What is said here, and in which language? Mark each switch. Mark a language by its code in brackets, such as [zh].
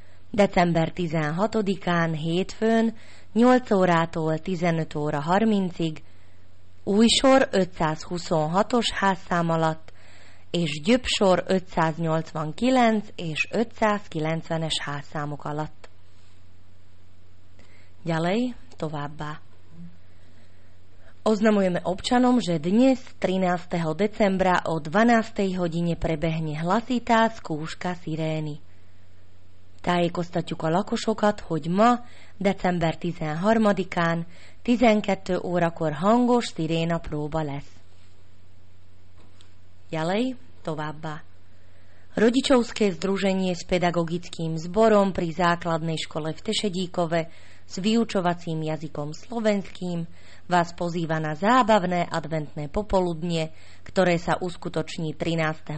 [hu] December 16-án hétfőn 8 órától 15 óra 30-ig Újsor 526-os házszám alatt és Gyöpsor 589 és 590-es házszámok alatt. [sk] Ďalej, [hu] továbbá. [sk] Oznamujeme občanom, že dnes 13. decembra o 12. hodine prebehne hlasitá skúška sirény. [hu] Tájékoztatjuk a lakosokat, hogy ma, december 13-án, 12 órakor hangos siréna próba lesz. [sk] Ďalej, [hu] továbbá. [sk] Rodičovské združenie s pedagogickým zborom pri základnej škole v Tešedíkove s vyučovacím jazykom slovenským vás pozýva na zábavné adventné popoludnie, ktoré sa uskutoční 13.